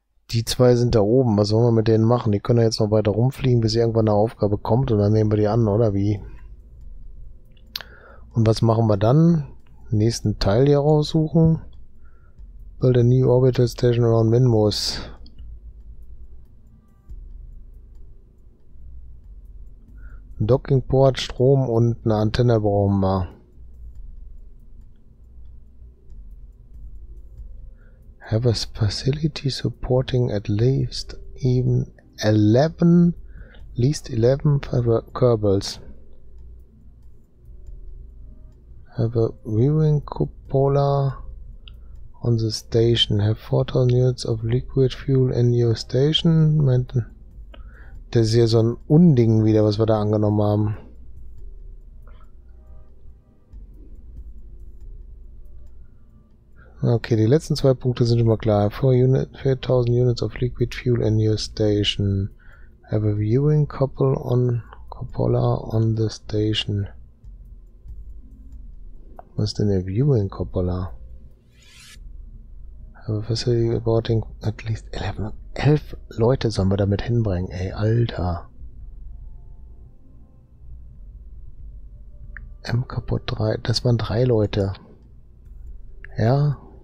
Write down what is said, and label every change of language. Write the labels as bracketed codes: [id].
[de] Die zwei sind da oben. Was wollen wir mit denen machen? Die können ja jetzt noch weiter rumfliegen, bis irgendwann eine Aufgabe kommt und dann nehmen wir die an, oder wie? Und was machen wir dann? Den nächsten Teil hier raussuchen. [en] Build a new orbital station around Minmus. [de] Ein Dockingport, Strom und eine Antenne brauchen wir. [en] Have a facility supporting at least even 11, least 11 fiber cables. Have a viewing cupola. On the station, have 4000 units of liquid fuel in your station. [de] Das ist ja so ein Unding wieder, was wir da angenommen haben. Okay, die letzten zwei Punkte sind schon mal klar. [en] 4000 units of liquid fuel in your station. Have a viewing cupola on the station. [de] Was ist denn der viewing cupola? [en] Facility reporting at least 11 [de] Leute sollen wir damit hinbringen, ey, Alter. M kaputt 3, das waren 3 Leute. Ja.